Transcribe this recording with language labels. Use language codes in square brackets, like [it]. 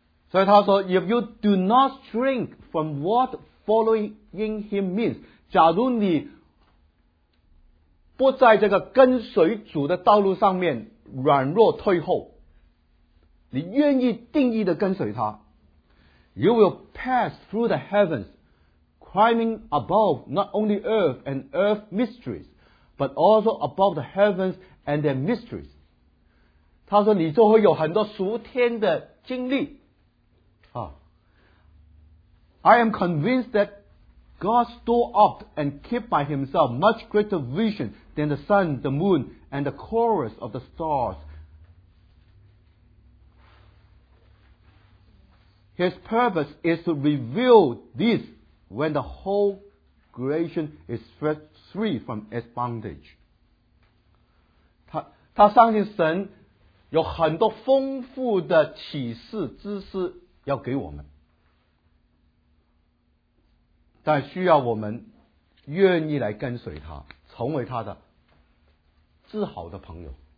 [zh] 所以他说 [en] If you do not shrink from what following him means， [zh] 假如你不在这个跟随主的道路上面软弱退后，你愿意定义的跟随他， [en] You will pass through the heavens climbing above not only earth and earth mysteries but also above the heavens and their mysteries。 [zh] 他说你就会有很多属天的经历啊。 [en] I am convinced that God store up and keep by himself much greater vision than the sun, the moon, and the chorus of the stars. His purpose is to reveal this when the whole creation is set free from its bondage. [zh] 他相信神有很多丰富的启示知识要给我们，但需要我们愿意来跟随他，成为他的至好的朋友。